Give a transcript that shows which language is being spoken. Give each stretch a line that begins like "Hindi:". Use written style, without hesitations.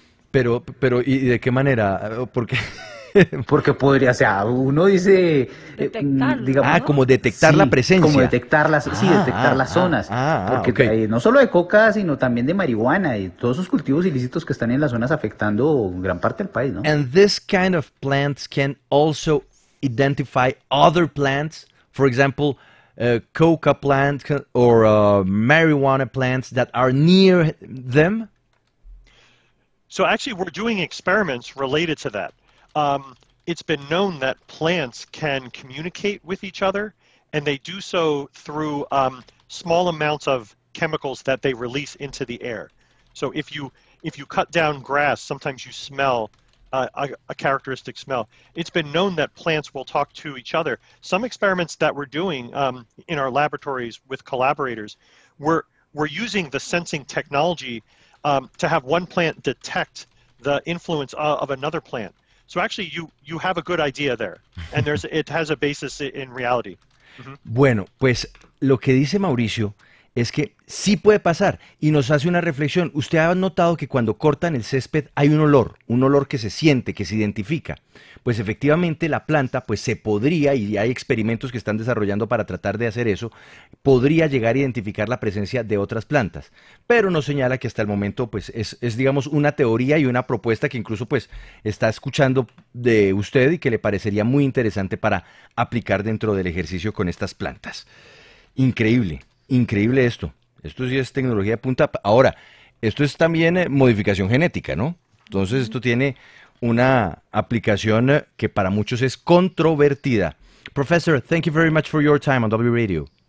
Spanish: Pero ¿y de qué manera? ¿Por qué? Porque podría, o sea, uno dice... Digamos, ah, como detectar sí, la presencia. Como detectar las, sí, detectar las zonas. Porque okay. No solo de coca, sino también de marihuana y todos esos cultivos ilícitos que están en las zonas afectando gran parte del país, ¿no?
English: And this kind of plants can also identify other plants, for example, coca plants or marijuana plants that are near them? So actually we're doing experiments related to that. It's been known that plants can communicate with each other, and they do so through small amounts of chemicals that they release into the air. So if you cut down grass, sometimes you smell a characteristic smell. It's been known that plants will talk to each other. Some experiments that we're doing in our laboratories with collaborators, we're using the sensing technology to have one plant detect the influence of another plant. So actually, you have a good idea there, and it has a basis in reality. Mm-hmm.
Spanish: Bueno, pues lo que dice Mauricio es que sí puede pasar, y nos hace una reflexión. Usted ha notado que cuando cortan el césped hay un olor que se siente, que se identifica. Pues efectivamente la planta pues se podría, y hay experimentos que están desarrollando para tratar de hacer eso, podría llegar a identificar la presencia de otras plantas. Pero nos señala que hasta el momento pues es digamos una teoría y una propuesta que incluso pues está escuchando de usted y que le parecería muy interesante para aplicar dentro del ejercicio con estas plantas. Increíble. Increíble esto. Esto sí es tecnología de punta. Ahora, esto es también modificación genética, ¿no? Entonces, esto tiene una aplicación que para muchos es controvertida.
English: Professor, thank you very much for your time on W Radio.